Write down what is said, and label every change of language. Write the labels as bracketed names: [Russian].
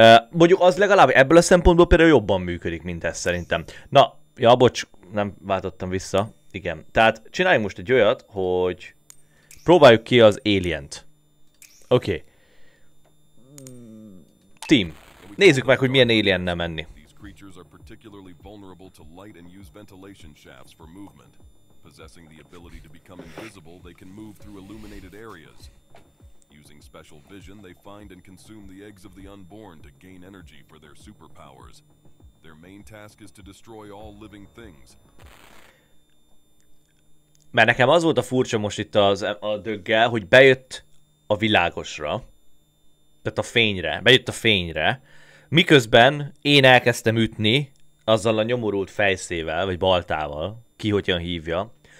[Hungarian] Mondjuk az legalább ebből a szempontból például jobban működik, mint ez szerintem. Na, ja, bocs, nem váltottam vissza. Igen. Tehát csináljunk most egy olyat, hogy próbáljuk ki az Alient. Oké. Team, nézzük meg, hogy milyen Alien-nel menni. [English] Creatures are particularly vulnerable to light and use ventilation shafts for movement. Possessing the ability to become invisible, they can move through illuminated areas. Using special vision, they find and consume the eggs of the unborn to gain energy for their superpowers. Their main task is to destroy all living things. [Hungarian] Mert nekem az volt a furcsa most itt az a döggel, hogy bejött a világosra, tehát a fényre, bejött a fényre, miközben én elkezdtem ütni azzal a nyomorult fejszével, vagy baltával, ki hogyan hívja.